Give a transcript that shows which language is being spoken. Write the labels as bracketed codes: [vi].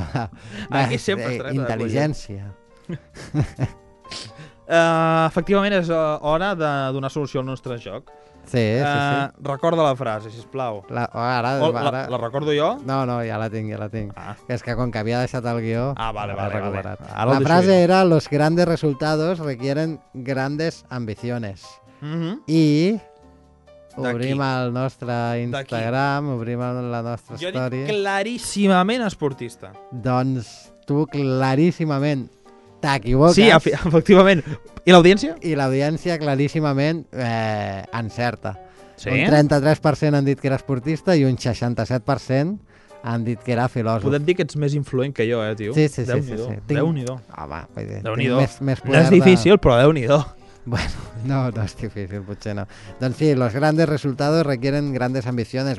[ca] de... Aquí sempre es tracta de intel·ligència. Efectivament és hora de donar solució al nostre joc. Sí. Recorda la frase, sisplau. La recordo jo? No, ja la tinc. Ah. És que com que havia deixat el guió... Vale. [es] La frase era: los grandes resultados requieren grandes ambiciones. Uh-huh. [ca] I obrim el nostre Instagram, obrim la nostra story. Jo dic claríssimament esportista. Doncs tu claríssimament... t'equivoques. Sí, efectivament. I l'audiència? I l'audiència claríssimament encerta. Sí? Un 33% han dit que era esportista i un 67% han dit que era filòsof. Podem dir que ets més influent que jo, tio. Sí. Déu-n'hi-do. Déu-n'hi-do. Més poder. No és difícil, però déu-n'hi-do. Bueno, no és difícil, potser no. Doncs sí, [es] los grandes resultados requieren grandes ambiciones.